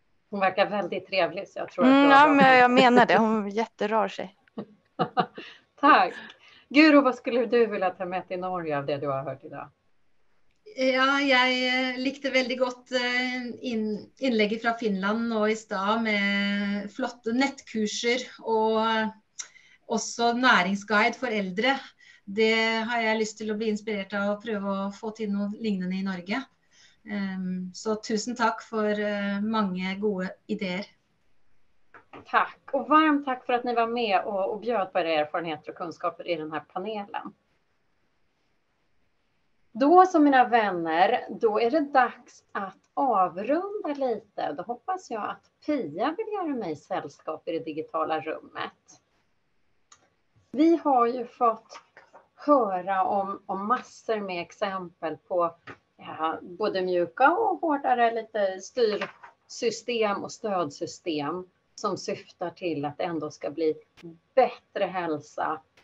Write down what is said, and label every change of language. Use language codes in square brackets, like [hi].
[sv] Hon verkar väldigt trevlig, så jag tror jag menar det. Hon är jätterar sig. Tack. Guro, vad skulle du vilja ta med till Norge av det du har hört idag? [no] Ja, jeg likte veldig godt innlegget fra Finland nå i stad med flotte nettkurser og også næringsguide for eldre. Det har jeg lyst til å bli inspirert av og prøve å få til noe lignende i Norge. Så tusen takk for mange gode ideer. Takk, og varmt takk for at ni var med og bjød på [sv] era erfarenheter [no] og kunnskaper i denne panelen. [sv] Då så mina vänner, då är det dags att avrunda lite. Då hoppas jag att Pia vill göra mig sällskap i det digitala rummet. Vi har ju fått höra om massor med exempel på både mjuka och hårdare lite styrsystem och stödsystem som syftar till att ändå ska bli bättre hälsa.